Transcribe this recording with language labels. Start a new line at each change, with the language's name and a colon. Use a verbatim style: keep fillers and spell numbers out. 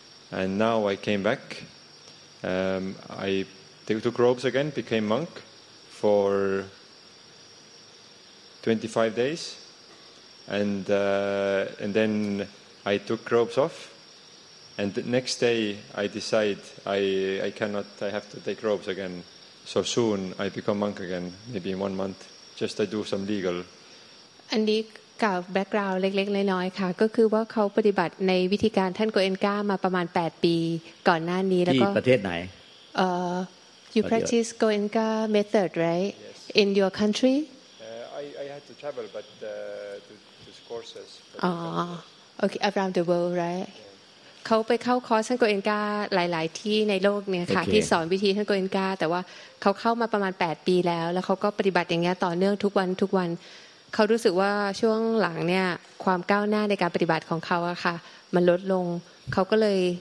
English: And now I came back. Um, I took robes again, became monk for twenty-five days, and uh, and then I took robes off. And the next day I decide I, I cannot, I have to take robes again. So soon I become monk again, maybe in one month. Just I do some legal.
Thai: อันนี้กล่าวแบ็คกราวด์เล็กๆน้อยๆค่ะก็คือว่าเขาปฏิบัติในวิธีการท่านโกเอ็นก้ามาประมาณ
English: eight
Thai: ปีก่อนหน้านี้แล้วก็ ที่ประเทศไหน
English: เอ่อ You practice Goenka method right yes. in your country? Uh, I I had to travel but uh, to to courses. อ๋อ okay around the world right? Yeah.
Thai: เขาไปเข้าคอร์สท่านโกเอ็นกาหลายๆที่ในโลกเนี่ยค่ะ
English: okay.
Thai: ที่สอนวิธีท่านโกเอ็นกาแต่ว่าเขาเข้ามาประมาณ
English: eight
Thai: ปีแล้วแล้วเขาก็ปฏิบัติอย่างเงี้ยต่อเนื่องทุกวันทุกวันเขารู้สึกว่าช่วงหลังเนี่ยความก้าวหน้าในการปฏิบัติของเขาอะค่ะมันลดลงเขาก็เลย